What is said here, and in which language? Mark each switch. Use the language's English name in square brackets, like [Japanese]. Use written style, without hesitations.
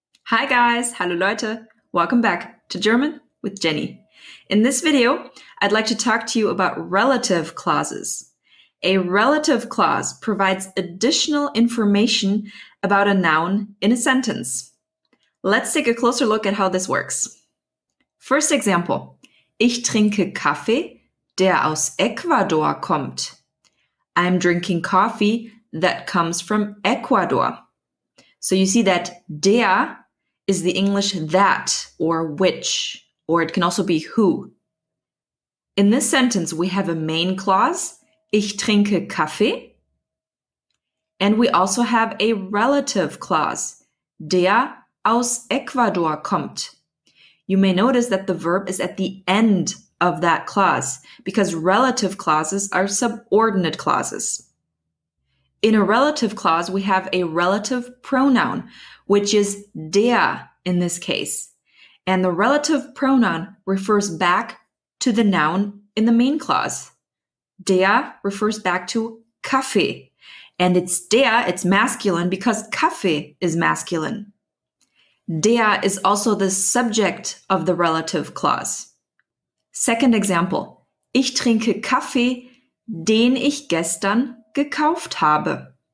[English] Hi guys, [German] hallo Leute, [English] welcome back to German with Jenny. In this video, I'd like to talk to you about relative clauses. A relative clause provides additional information about a noun in a sentence. Let's take a closer look at how this works. First example, [German] ich trinke Kaffee, der aus Ecuador kommt. [English] I'm drinking coffee that comes from Ecuador. So you see that der is the English that or which, or it can also be who. In this sentence, we have a main clause, [German] ich trinke Kaffee, [English] and we also have a relative clause, [German] der aus Ecuador kommt. [English] You may notice that the verb is at the end of that clause, because relative clauses are subordinate clauses. In a relative clause, we have a relative pronoun, which is der in this case. And the relative pronoun refers back to the noun in the main clause. Der refers back to Kaffee. And it's der, it's masculine, because Kaffee is masculine. Der is also the subject of the relative clause. Second example. [German] Ich trinke Kaffee, den ich gestern gekauft habe.